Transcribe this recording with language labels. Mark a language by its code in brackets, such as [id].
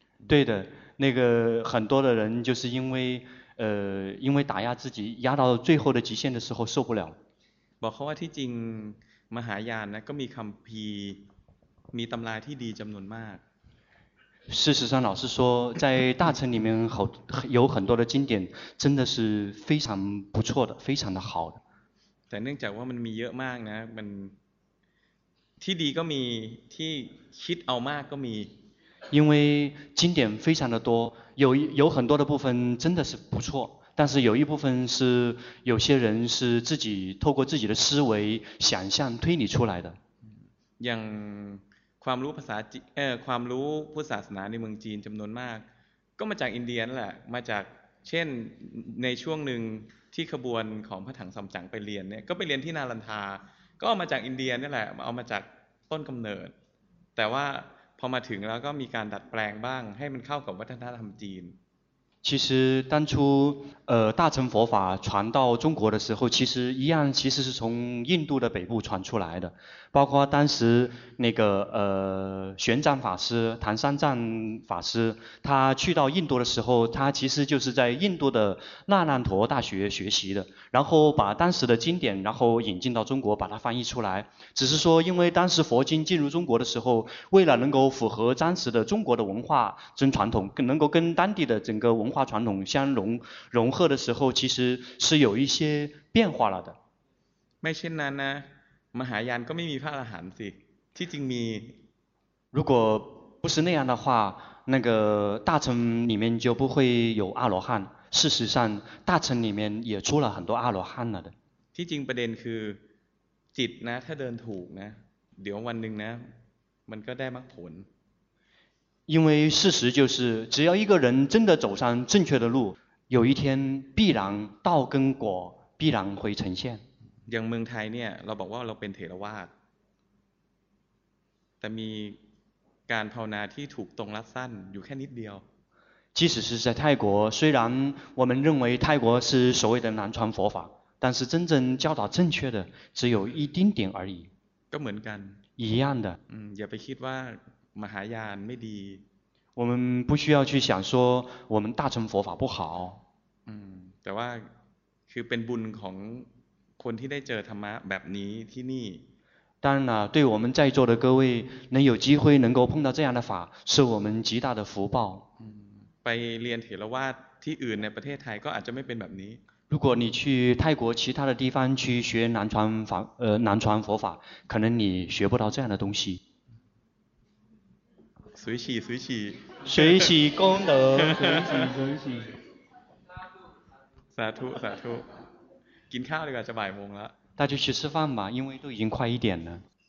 [zh] 对的那个很多的人就是因为打压自己压到最后的极限的时候受不了 [th] บอกเขาว่าที่จริงมหายานนะก็มีคำพีมีตำราที่ดีจำนวนมาก [zh] 事实上老师说在大乘里面有很多的经典真的是非常不错的非常的好的 [th] แต่เนื่องจากว่ามันมีเยอะมากนะมันที่ดีก็มีที่คิดเอามากก็มี [zh] 因为经典非常的多 有很多的部分真的是不错但是有一部分是有些人是自己透过自己的思维想象推理出来的 [th] อย่างความรู้ภาษาความรู้พุทธศาสนาในเมืองจีนจำนวนมากก็มาจากอินเดียนแหละมาจากเช่นในช่วงหนึ่งที่ขบวนของพระถังซัมจั๋งไปเรียนเนี่ยก็ไปเรียนที่นาลันทาก็มาจากอินเดียนนี่แหละเอามาจากต้นกำเนิดแต่ว่าพอมาถึงแล้วก็มีการดัดแปลงบ้างให้มันเข้ากับวัฒนธรรมจีน [zh] 其实当初大乘佛法传到中国的时候其实一样其实是从印度的北部传出来的包括当时那个玄奘法师唐三藏法师他去到印度的时候他其实就是在印度的那烂陀大学学习的然后把当时的经典然后引进到中国把它翻译出来只是说因为当时佛经进入中国的时候为了能够符合当时的中国的文化跟传统能够跟当地的整个文化传统相融合的时候其实是有一些变化了的 [th] ม่เช่นนั้นนะมหายานก็ไม่มีพระอรหันต์สิที่จริงมี [zh] 如果不是那样的话那个大乘里面就不会有阿罗汉事实上大乘里面也出了很多阿罗汉了的 [th] ที่จริงประเด็นคือจิตนะถ้าเดินถูกนะเดี๋ยววันหนึ่งนะมันก็ได้มรรคผล [zh] 因为事实就是只要一个人真的走上正确的路有一天必然道跟果必然会呈现 [th] อย่างเมืองไทยเนี่ยเราบอกว่าเราเป็นเถรวาทแต่มีการภาวนาที่ถูกตรงรัดสั้นอยู่แค่นิดเดียว [zh] 即使是在泰国虽然我们认为泰国是所谓的南传佛法但是真正教导正确的只有一丁点而已 [th] ก็เหมือนกัน [zh] 一样的 [th] อย่าไปคิดว่ามหายานไม่ดี [zh] 我们不需要去想说我们大乘佛法不好 [th] แต่ว่าคือเป็นบุญของคนที่ได้เจอธรรมะแบบนี้ที่นี่ [zh] 当然了对我们在座的各位能有机会能够碰到这样的法是我们极大的福报 [th] ไปเรียนเถรวาทที่อื่นในประเทศไทยก็อาจจะไม่เป็นแบบนี้ [zh] 如果你去泰国其他的地方去学南传法南传佛法可能你学不到这样的东西随喜随喜随喜功德随喜随喜 [th] สาธุสาธุกินข้าวดีกว่าจะบ่ายโมงแล้ว นั่นก็คือ [zh] 吃饭吧因为都已经快一点了